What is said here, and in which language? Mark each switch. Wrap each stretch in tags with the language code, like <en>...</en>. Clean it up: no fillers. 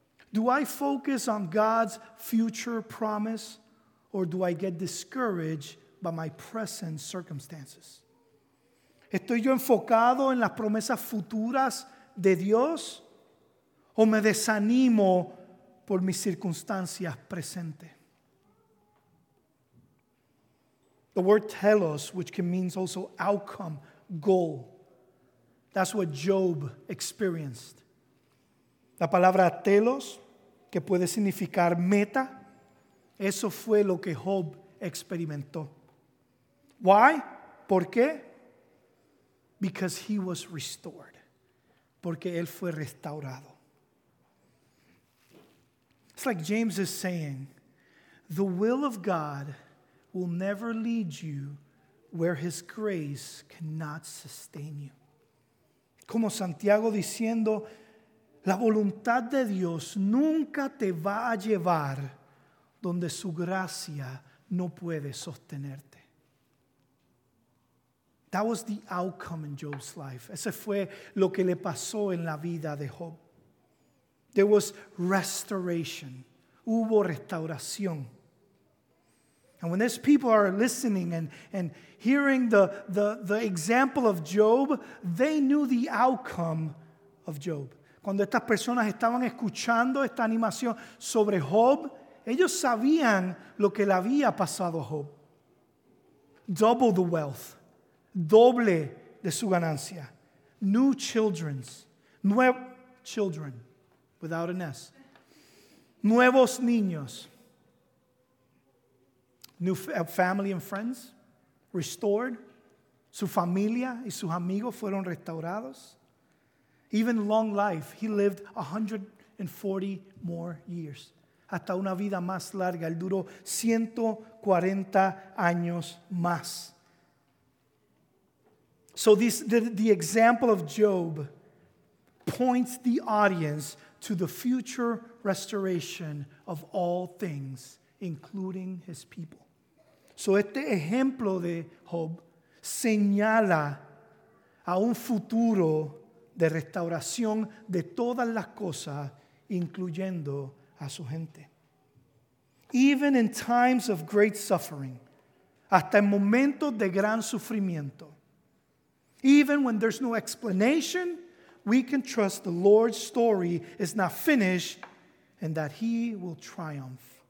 <en>Do I focus on God's future promise, or do I get discouraged by my present circumstances?</en> <es>¿Estoy yo enfocado en las promesas futuras de Dios, o me desanimo por mis circunstancias presentes?</es> <en>The word telos, which can mean also outcome, goal. That's what Job experienced.</en> <es>La palabra telos, que puede significar meta, eso fue lo que Job experimentó.</es> <en>Why?</en> <es>¿Por qué?</es> <en>Because he was restored.</en> <es>Porque él fue restaurado.</es> <en>It's like James is saying, the will of God will never lead you where his grace cannot sustain you.</en> <es>Como Santiago diciendo, la voluntad de Dios nunca te va a llevar donde su gracia no puede sostenerte.</es> <en>That was the outcome in Job's life.</en> <es>Ese fue lo que le pasó en la vida de Job.</es> <en>There was restoration.</en> <es>Hubo restauración.</es> <en>And when these people are listening and hearing the example of Job, they knew the outcome of Job.</en> <es>Cuando estas personas estaban escuchando esta animación sobre Job, ellos sabían lo que le había pasado a Job.</es> <en>Double the wealth.</en> <es>Doble de su ganancia.</es> <en>New children. Children. Without an S.</en> <es>Nuevos niños.</es> <en>New family and friends restored.</en> <es>Su familia y sus amigos fueron restaurados.</es> <en>Even long life, he lived 140 more years.</en> <es>Hasta una vida más larga, él duró 140 años más.</es> <en>So the example of Job points the audience to the future restoration of all things, including his people.</en> <es>So este ejemplo de Job señala a un futuro de restauración de todas las cosas, incluyendo a su gente.</es> <en>Even in times of great suffering,</en> <es>hasta en momentos de gran sufrimiento,</es> <en>even when there's no explanation, we can trust the Lord's story is not finished and that he will triumph.</en>